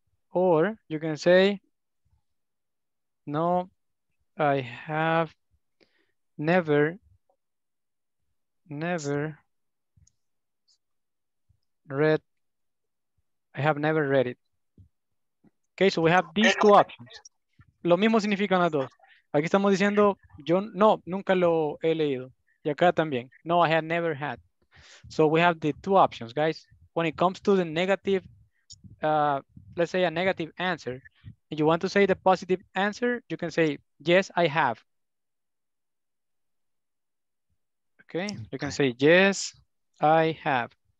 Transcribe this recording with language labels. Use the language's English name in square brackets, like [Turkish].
[English] Or you can say, no, I have never read it. Okay, so we have these two options. [Spanish] Lo mismo significan las dos. Aquí estamos diciendo, yo no, nunca lo he leído. Y acá también, [English] no, I had never had. So we have the two options, guys. When it comes to the negative, let's say a negative answer, and you want to say the positive answer, you can say, yes, I have. Okay, you can say, yes, I have.